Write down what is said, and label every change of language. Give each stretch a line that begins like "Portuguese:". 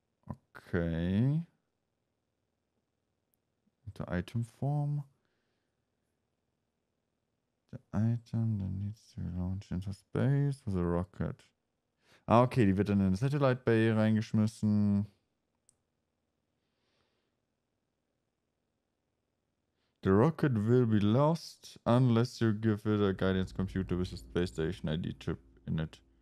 English: Okay. The item form. The item that needs to be launched into space with a rocket.
German: Ah, okay, die wird dann in eine Satellite Bay reingeschmissen.
English: The rocket will be lost unless you give it a guidance computer with a space station ID chip in it.